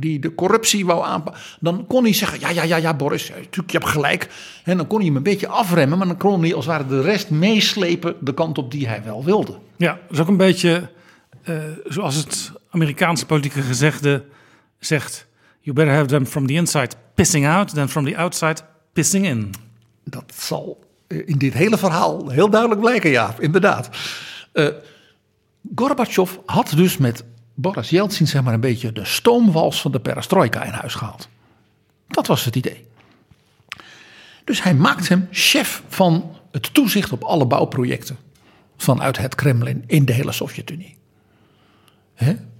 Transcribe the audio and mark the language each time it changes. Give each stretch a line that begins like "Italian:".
Dutch: Die de corruptie wou aanpakken. Dan kon hij zeggen, ja Boris, natuurlijk, je hebt gelijk. En dan kon hij hem een beetje afremmen. Maar dan kon hij als het ware de rest meeslepen de kant op die hij wel wilde. Ja, dat is ook een beetje zoals het Amerikaanse politieke gezegde zegt.
English: You better have them from the inside pissing out than from the outside pissing in.
Dutch: Dat zal in dit hele verhaal heel duidelijk blijken, ja, inderdaad. Gorbachev had dus met Boris Jeltsin zeg maar een beetje de stoomwals van de perestroika in huis gehaald. Dat was het idee. Dus hij maakt hem chef van het toezicht op alle bouwprojecten vanuit het Kremlin in de hele Sovjet-Unie. Hè?